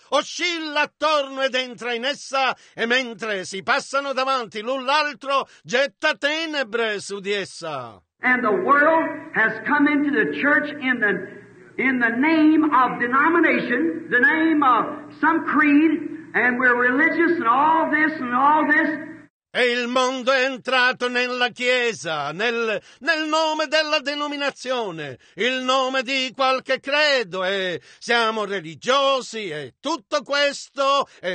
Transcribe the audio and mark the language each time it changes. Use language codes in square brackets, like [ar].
[it] Oscilla attorno ed entra in essa, e mentre si passano davanti l'un l'altro, getta tenebre su di essa. [en] And the world has come into the church in the name of denomination, the name of some creed, and we're religious and all this and all this. [it] E il mondo è entrato nella chiesa, nel nome della denominazione, il nome di qualche credo, e siamo religiosi, e tutto questo.